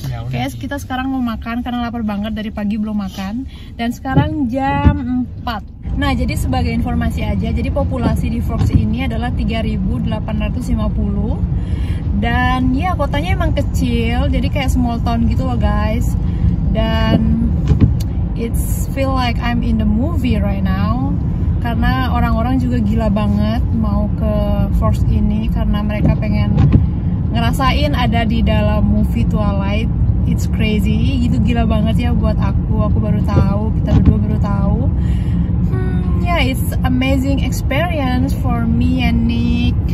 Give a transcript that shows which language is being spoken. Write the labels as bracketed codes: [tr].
[id] Guys, kita sekarang mau makan karena lapar banget, dari pagi belum makan. Dan sekarang jam 4. Nah, jadi sebagai informasi aja, jadi populasi di Forks ini adalah 3850. Dan ya, kotanya emang kecil, jadi kayak [en] small town [id] gitu loh guys. Dan [en] it's feel like I'm in the movie right now. [id] karena orang-orang juga gila banget mau ke Force ini karena mereka pengen ngerasain ada di dalam movie Twilight. [en] It's crazy, [id] gitu, gila banget ya buat aku. Aku baru tahu, kita berdua baru tahu. [en] Yeah, it's amazing experience for me and Nick.